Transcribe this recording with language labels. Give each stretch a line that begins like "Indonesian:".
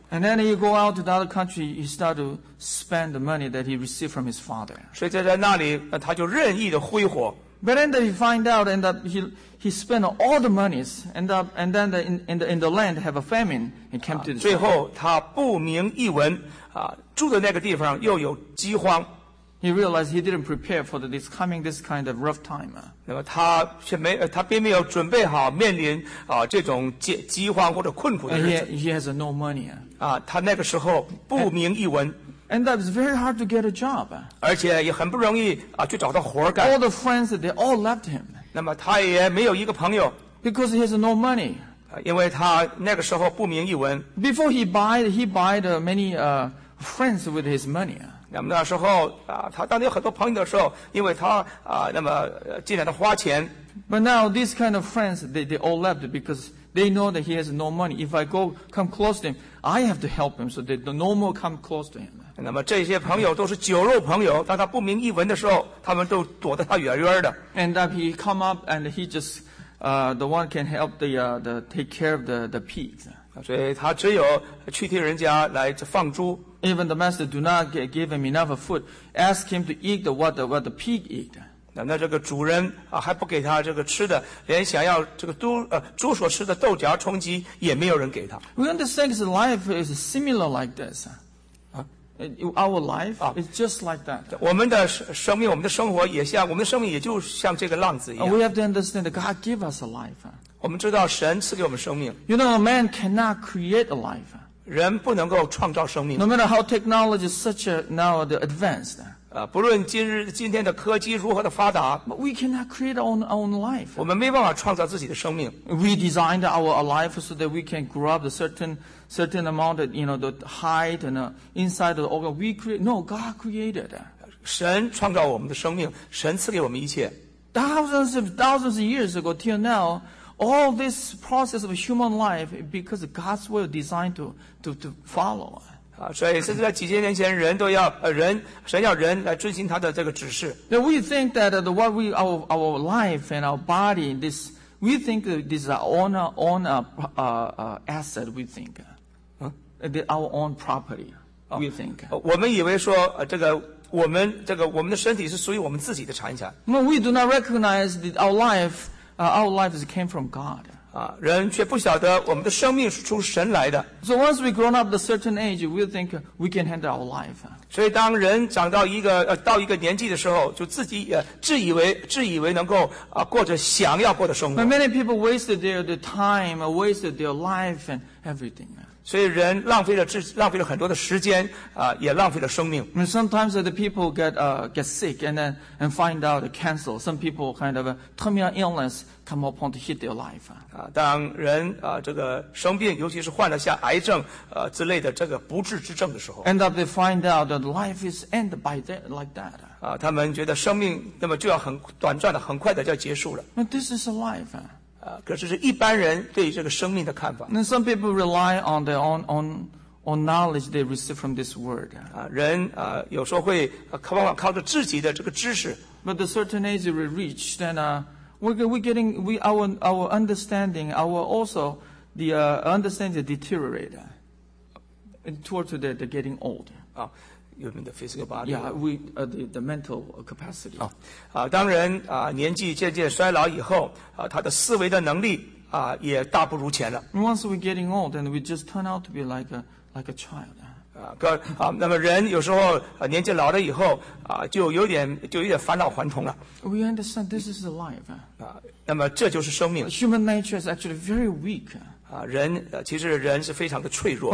English: And then he go out to the other country, he start to spend the money that he received from his father.
Chinese: 所以在那里，他就任意的挥霍。
English: But then he find out, end up he spent all the monies, end up, and then in the land have a famine. He came to the
Chinese: 最后他不明一文啊，住的那个地方又有饥荒。
English: He realized he didn't prepare for this kind of rough time.
Chinese: 那么他却没，他并没有准备好面临这种饥荒或者困苦的日子。
English: He has no money.
Chinese: 他那个时候不明一文。
English: And that was very hard to get a job.
Chinese: 而且也很不容易去找到活干。
English: All the friends, they all left him.
Chinese: 那么他也没有一个朋友。
English: Because he has no money.
Chinese: 因为他那个时候不明一文。
English: Before he buy many friends with his money.
Chinese: 那么那时候他当有很多朋友的时候，因为他那么尽量的花钱。
English: But now these kind of friends, they all left because they know that he has no money. If I go come close to him, I have to help him, so they no more come close to him.
Chinese: 那么这些朋友都是酒肉朋友，当他不明一文的时候，他们都躲得他远远的。
English: And that he come up and he just, the one can help the take care of the pigs.
Chinese: 所以他只有去替人家来放猪。
English: Even the master do not give him enough food, ask him to eat what the pig eat.
Chinese: 那这个主人还不给他这个吃的，连想要这个猪所吃的豆荚充饥也没有人给他。
English: We understand his life is similar like this. Our life is just like that.
Chinese: 我们的生命，我们的生活也像，我们的生命也就像这个浪子一样。
English: We have to understand that God give us a life.
Chinese: 我们知道神赐给我们生命。
English: You know, a man cannot create a life.
Chinese: 人不能够创造生命。
English: No matter how technology is such a now the advanced.
Chinese: 不论今天的科技如何的发达。
English: But we cannot create our own life.
Chinese: 我们没办法创造自己的生命。
English: We designed our life so that we can grow up a certain amount of, you know, the height and inside of the organ, we create, no, God created.
Chinese: 神创造我们的生命，神赐给我们一切。
English: Thousands of years ago till now, all this process of human life, because God's will designed to follow.
Chinese: 所以甚至在几千年前，人都要人，神要人来遵循他的这个指示。
English: Now we think that our life and our body, thisWe think this is our own asset, we think. Our own property, we think.
Chinese: 我们以为说我们的身体是属于我们自己的产权。
English: No, we do not recognize that our life is came from God.
Chinese: 人却不晓得我们的生命是从神来的。
English: So once we grown up a certain age, we think we can handle our life.
Chinese: 所以当人长到一个年纪的时候，就自己自以为能够过着想要过的生活。
English: But many people wasted their time, wasted their life and everything.
Chinese: 所以人浪费了很多的时间也浪费了生命。
English: And sometimes the people get sick and find out the cancer. Some people kind of a terminal illness come upon to hit their life.
Chinese: 当人这个生病，尤其是患了像癌症之类的这个不治之症的时候。
English: End up they find out. That life is end by that, like that.
Chinese: 他们觉得生命那么就要很短暂的，很快的就要结束了。
English: But this is a life.
Chinese: 可是是一般人对于这个生命的看法。
English: And some people rely on their own knowledge they receive from this word.
Chinese: 人有时候会靠着自己的这个知识。
English: But the certain age we reach, then our understanding, our also the understanding deteriorate towards the getting old. You mean the physical body? Yeah, the mental capacity.
Chinese: 当人年纪渐渐衰老以后，他的思维的能力也大不如前了。
English: Once we're getting old, and we just turn out to be like a child.
Chinese: 那么人有时候年纪老了以后就有点返老还童了。
English: We understand this is life.
Chinese: 那么这就是生命。
English: Human nature is actually very weak.
Chinese: 人其实人是非常的脆弱。